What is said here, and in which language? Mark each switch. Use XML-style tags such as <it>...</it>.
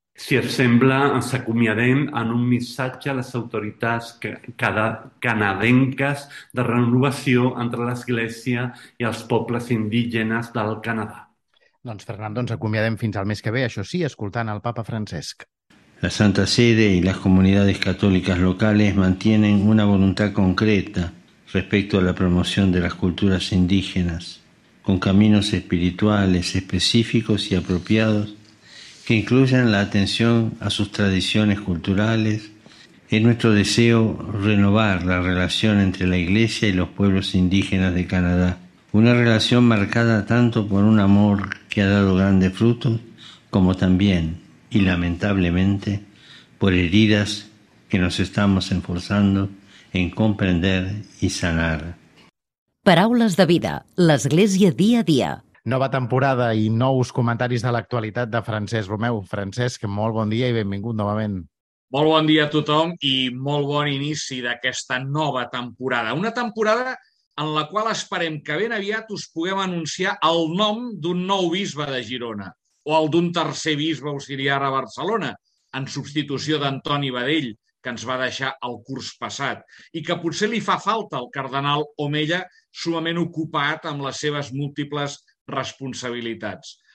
<ca>Si et sembla, ens acomiadem en un missatge a les autoritats canadenques de renovació entre l'Església i els pobles indígenes del Canadà. Doncs, Fernando, ens acomiadem fins al mes que ve, això sí, escoltant el papa Francesc.</ca> <es>La Santa Sede y las comunidades católicas locales mantienen una voluntad concreta respecto a la promoción de las culturas indígenas, con caminos espirituales específicos y apropiados que incluyan la atención a sus tradiciones culturales. Es nuestro deseo renovar la relación entre la Iglesia y los pueblos indígenas de Canadá, una relación marcada tanto por un amor que ha dado grandes frutos, como también y lamentablemente por heridas que nos estamos esforzando en comprender y sanar.</es> <ca>Paraules de vida, l'Església dia a dia. Nova temporada i nous comentaris de l'actualitat de Francesc Romeu. Francesc, molt bon dia i benvingut novament. Molt bon dia a tothom i molt bon inici d'aquesta nova temporada. Una temporada en la qual esperem que ben aviat us puguem anunciar el nom d'un nou bisbe de Girona o el d'un tercer bisbe auxiliar a Barcelona, en substitució d'Antoni Vedell, que ens va deixar el curs passat, i que potser li fa falta el cardenal Omella, sumament ocupat amb les seves múltiples responsabilitats.</ca>